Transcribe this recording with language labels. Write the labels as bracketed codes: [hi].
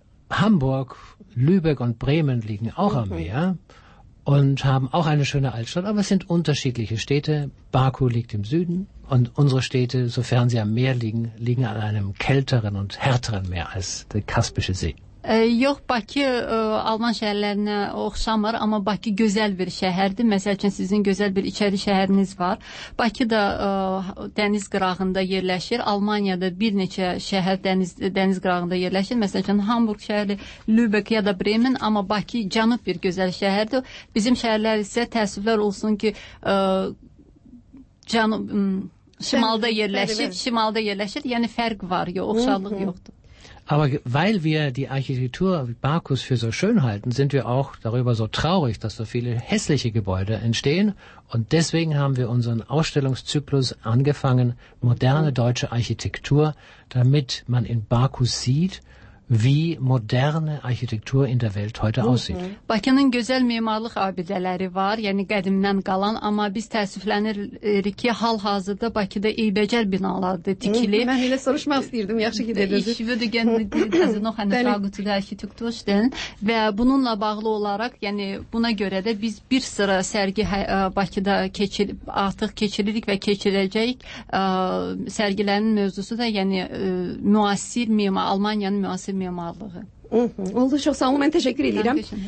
[de] Hamburg, Lübeck und Bremen liegen auch am Meer. Und haben auch eine schöne Altstadt, aber es sind unterschiedliche Städte. Baku liegt im Süden und unsere Städte, sofern sie am Meer liegen, liegen an einem kälteren und härteren Meer als der Kaspische See. [az] Yox, Bakı Alman şəhərlərinə oxşamır, amma Bakı gözəl bir şəhərdir. Məsəl üçün, sizin gözəl bir içəri şəhəriniz var. Bakı da dəniz qırağında yerləşir. Almaniyada bir neçə şəhər dəniz qırağında yerləşir. Məsəl üçün, Hamburg şəhəri, Lübeck ya da Bremen, amma Bakı cənub bir gözəl şəhərdir. Bizim şəhərlər isə təəssüflər olsun ki, şimalda yerləşir, şimalda yerləşir. Yəni, fərq var, oxşarlıq yoxdur. [de] Aber weil wir die Architektur Bakus für so schön halten, sind wir auch darüber so traurig, dass so viele hässliche Gebäude entstehen. Und deswegen haben wir unseren Ausstellungszyklus angefangen, moderne deutsche Architektur, damit man in Bakus sieht, wie moderne Architektur in der Welt heute aussieht. [az] Bakının gözəl memarlıq abidələri var, yəni qədimdən qalan, amma biz təəssüflənirik ki, hal-hazırda Bakıda eybəcər binalardır tikili. Mən elə soruşmaq istəyirdim, yaxşı ki dediniz. [de] Ich würde gerne diese noch eine Frage zu der Architektur stellen [az] və bununla bağlı olaraq, yəni buna görə də biz bir sıra sərgi Bakıda artıq keçiririk və keçirəcəyik. Sərgilərin mövzusu da yəni müasir memar Almaniyanın müasir Oldu, çok sağ olun, ben teşekkür ederim.